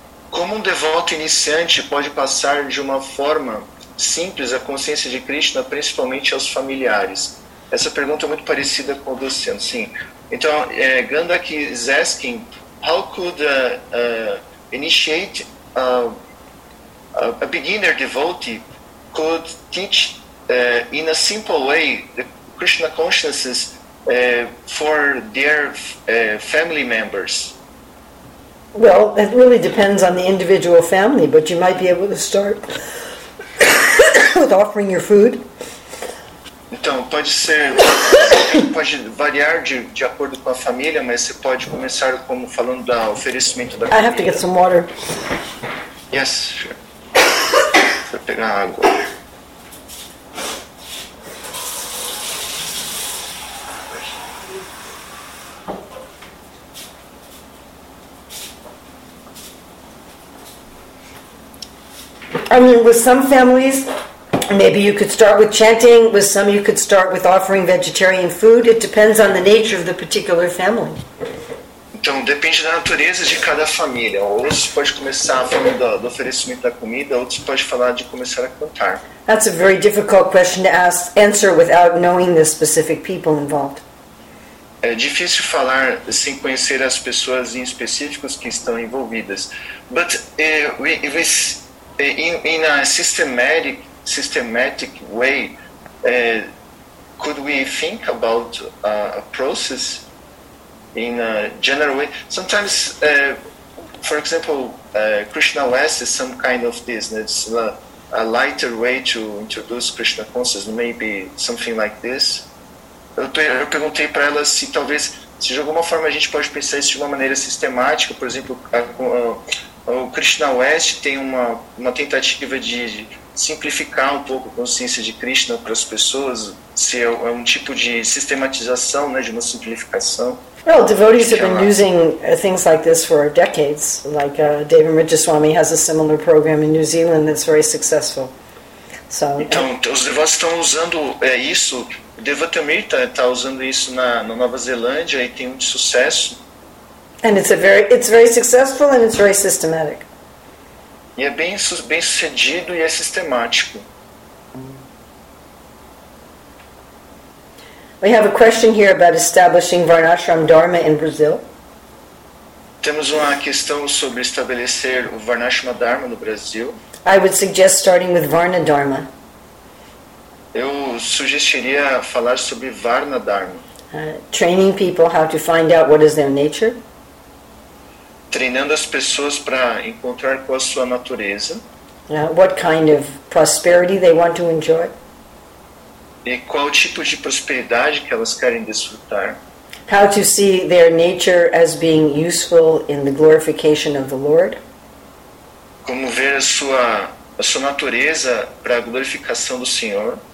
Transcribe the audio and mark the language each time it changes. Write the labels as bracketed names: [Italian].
[Portuguese] Como um devoto iniciante pode passar de uma forma simples a consciência de Krishna, principalmente aos familiares? Essa pergunta é muito parecida com a do Luciano, sim. [English] Então, Gandak is asking, how could initiate a beginner devotee could teach in a simple way the Krishna consciousness for their family members? Well, it really depends on the individual family, but you might be able to start with offering your food. [Portuguese] Então, pode ser, pode variar de acordo com a família, mas você pode começar como falando do oferecimento da comida. [English] I have to get some water. Yes, sure. [Portuguese] Vou pegar água. [English] I mean, with some families, maybe you could start with chanting. With some, you could start with offering vegetarian food. It depends on the nature of the particular family. [Portuguese] Então, depende da natureza de cada família. Outros pode começar falando do oferecimento da comida. Outros pode falar de começar a cantar. [English] That's a very difficult question to answer without knowing the specific people involved. [Portuguese] É difícil falar sem conhecer as pessoas em específicos que estão envolvidas. [English] But in a systematic way, could we think about a process in a general way? Sometimes, for example, Krishna West is some kind of this. It's a lighter way to introduce Krishna consciousness, maybe something like this. [Portuguese] Eu perguntei para ela se talvez, se de alguma forma a gente pode pensar isso de uma maneira sistemática, por exemplo, o Krishna West tem uma tentativa de simplificar um pouco a consciência de Krishna para as pessoas, se é um tipo de sistematização, né, de uma simplificação. [English] Well, devotees have been using things like this for decades, like David Rajaswami has a similar program in New Zealand that's very successful. So, [Portuguese] então, os devotos estão usando isso, o Devotamrita está usando isso na Nova Zelândia e tem um sucesso. [English] And it's very successful and it's very systematic. [Portuguese] E é bem sucedido e é sistemático. [English] We have a question here about establishing Varnashram Dharma in Brazil. [Portuguese] Temos uma questão sobre estabelecer o Varnashram Dharma no Brasil. [English] I would suggest starting with Varna Dharma. [Portuguese] Eu sugeriria falar sobre Varna Dharma. [English] Training people how to find out what is their nature. [Portuguese] Treinando as pessoas para encontrar com a sua natureza. [English] What kind of prosperity they want to enjoy. [Portuguese] E qual tipo de prosperidade que elas querem desfrutar. [English] How to see their nature as being useful in the glorification of the Lord. [Portuguese] Como ver a sua natureza para a glorificação do Senhor.